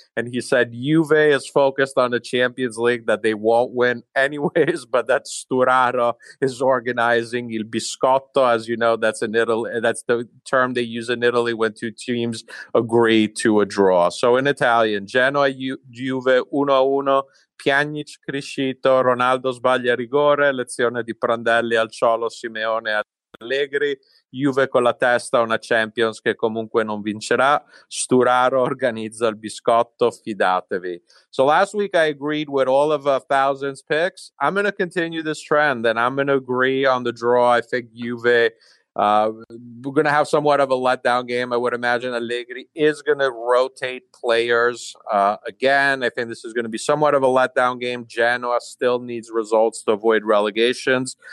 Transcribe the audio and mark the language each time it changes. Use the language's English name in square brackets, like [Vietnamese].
[English] And he said Juve is focused on the Champions League that they won't win anyways, but that Sturaro is organizing Il Biscotto. As you know, that's in Italy. That's the term they use in Italy when two teams agree to a draw. So in Italian, Genoa Juve 1-1. [Italian] Pjanic, Criscito, Ronaldo sbaglia rigore, lezione di Prandelli al Cholo, Simeone ad Allegri, Juve con la testa, una Champions che comunque non vincerà, Sturaro organizza il biscotto, fidatevi. [English] So last week I agreed with all of Thousand's picks. I'm going to continue this trend and I'm going to agree on the draw. I think Juve We're going to have somewhat of a letdown game. I would imagine Allegri is going to rotate players again. I think this is going to be somewhat of a letdown game. Genoa still needs results to avoid relegations.